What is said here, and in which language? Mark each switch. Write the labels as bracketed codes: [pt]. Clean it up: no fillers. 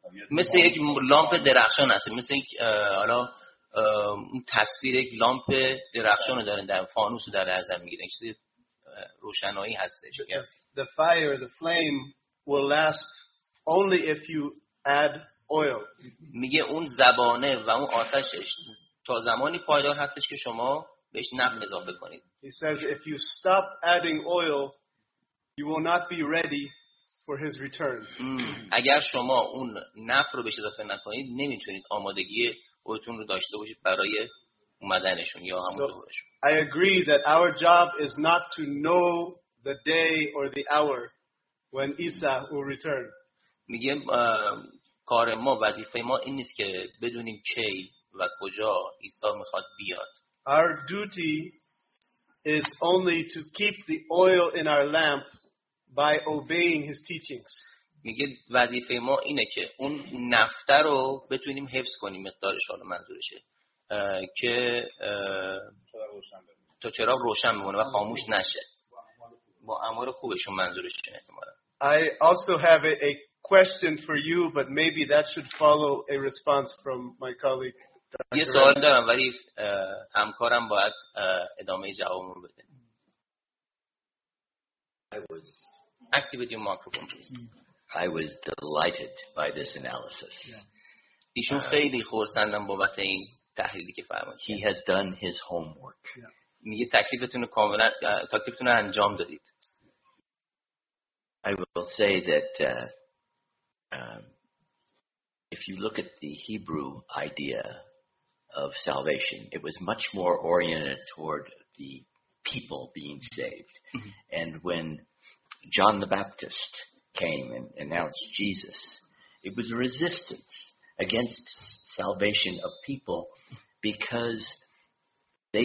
[fa] مثل یک لامپ درخشان هست. مثل یک حالا تصویر یک لامپ درخشان رو دارن در فانوس رو در نظر میگیرن، چیزی روشنایی هستش. [en] The fire, the flame will last only if you add oil. [fa] میگه اون زبانه و اون آتشش تا زمانی پایدار هستش که شما بهش نفت اضافه کنید. [en] He says if you stop adding oil you will not be ready for his return. [fa] اگر شما اون نفت رو بهش اضافه نکنید نمیتونید آمادگی خودتون رو داشته باشید برای اومدنشون یا همون ظهورشون. [en] I agree that our job is not to know the day or the hour when Isa will return. [fa] میگم کار ما، وظیفه ما این نیست که بدونیم کی و کجا عیسی میخواد بیاد. [en] Our duty is only to keep the oil in our lamp by obeying his teachings. [fa] میگه وظیفه ما اینه که اون نفته رو بتونیم حفظ کنیم، مقدارش حالا منظورشه که تا چراغ روشن بمونه و خاموش نشه با امور خوبشون منظورشه احتمالاً. [en] I also have a question for you, but maybe that should follow a response from my colleague. [fa] یه سوال دارم ولی همکارم باید ادامه جوابمو بده. [en] Activate your microphone, please. I was delighted by this analysis. [fa] ایشون خیلی خرسندم بابت این تحلیلی که فرمودید. [en] He has done his homework. [fa] میگه تکلیفتون رو کاملا تکلیفتون رو انجام دادید. [en] I will say that if you look at the Hebrew idea of salvation, it was much more oriented toward the people being saved. And when John the Baptist came and announced Jesus, it was a resistance against salvation of people because they